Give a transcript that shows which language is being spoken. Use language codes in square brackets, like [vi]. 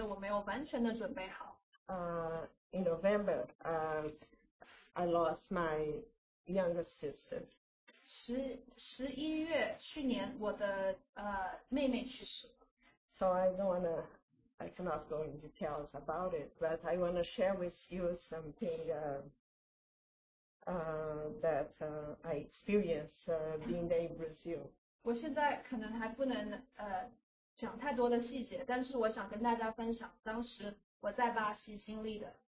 [zh] 我想今天想跟大家分享一些，我尽管说我觉得我没有完全的准备好。 [en] In November, I lost my younger sister. [zh] 11月去年我的 妹妹去世了。 [en] So I cannot go into details about it, but I want to share with you something that I experienced being there in Brazil. [zh] 我现在可能还不能讲太多的细节, 但是我想跟大家分享当时我在巴西经历的.